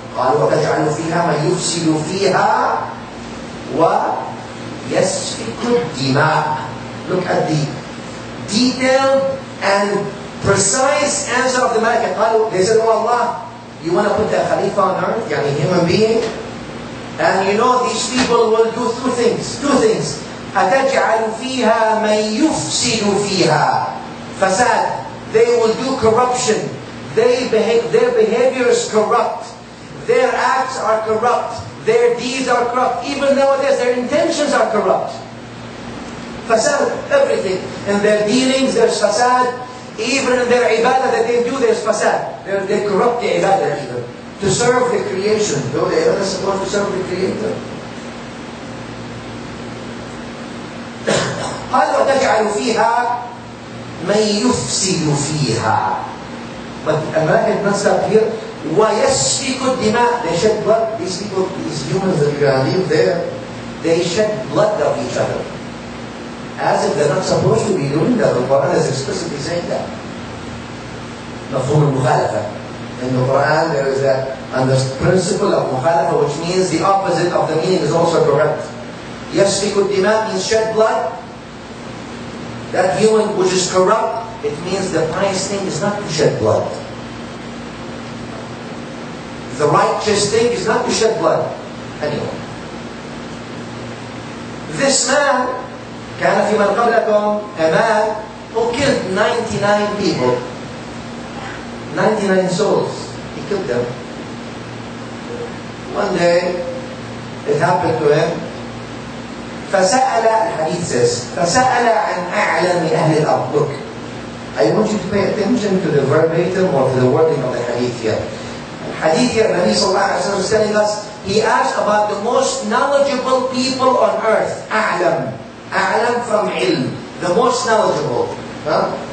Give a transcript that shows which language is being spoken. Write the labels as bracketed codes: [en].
[ar] قال وتجعل فيها ما يفسد فيها ويسفك الدماء. [en] Look at the detailed and precise answer of the malaika. [ar] قالوا, [en] they said, oh Allah, you want to put a khalifa on earth, [ar] يعني [en] human being, and you know these people will do two things. [ar] أتجعل فيها من يفسد فيها فساد. [en] They will do corruption. Their behavior is corrupt. Their acts are corrupt. Their deeds are corrupt. Even nowadays, their intentions are corrupt. فساد, everything. In their dealings, there's فساد. Even in their ibadah that they do, there's فساد. They corrupt the ibadah even. To serve the creation. No, they are supposed to serve the creator. [ar] قال وتجعل فيها من يفسد فيها. [en] But America did not stop here. [ar] ويسفك الدماء. [en] They shed blood. These people, these humans that you are leave there, they shed blood of each other. As if they're not supposed to be doing that. The Quran is explicitly saying that. [ar] مفهوم المخالفة. [en] In the Quran there is that principle of مخالفة, which means the opposite of the meaning is also correct. [ar] يسفك الدماء [en] means shed blood. That human which is corrupt, it means the pious thing is not to shed blood. The righteous thing is not to shed blood. Anyway. This man, [ar] كان في من قبلكم, [en] a man who killed 99 people. 99 souls. He killed them. One day, it happened to him. [ar] فسأل, الحديث [en] says, [ar] فسأل عن أعلم أهل الأرض. [en] Look, I want you to pay attention to the verbatim or to the wording of the hadith here. The hadith here, Nabi sallallahu alayhi wa sallam is telling us, he asked about the most knowledgeable people on earth. [ar] أعلم. أعلم [en] from علم. The most knowledgeable. Huh?